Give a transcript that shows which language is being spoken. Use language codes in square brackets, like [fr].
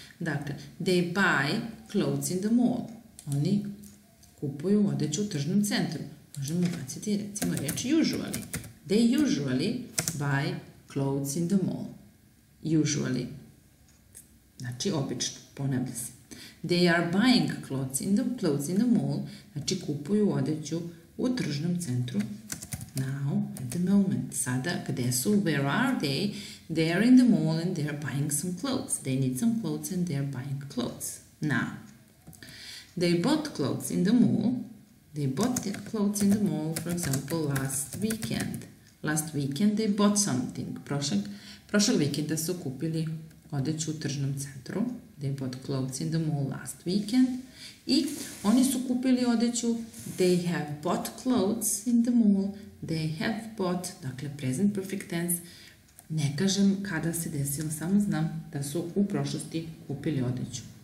[en] Dakle, they buy clothes in the mall. [sr] Oni kupuju odeću u tržnom centru. Možemo ubaciti recimo reč usually. [en] They usually buy clothes in the mall. Usually. [sr] Znači obično, ponavlja se. [en] They are buying clothes in the mall. [sr] Znači kupuju odeću u tržnom centru. [en] Now, at the moment. [sr] Sada, gde su? [en] Where are they? They are in the mall and they are buying some clothes. They need some clothes and they are buying clothes. Now. They bought clothes in the mall. They bought clothes in the mall, for example, last weekend. Last weekend they bought something. [sr] Prošlog vikenda su kupili odeću u tržnom centru. [en] They bought clothes in the mall last weekend. [sr] I oni su kupili odeću. [en] They have bought clothes in the mall. They have bought, dakle present perfect tense. [sr] Ne kažem kada se desilo, samo znam da su u prošlosti kupili odeću.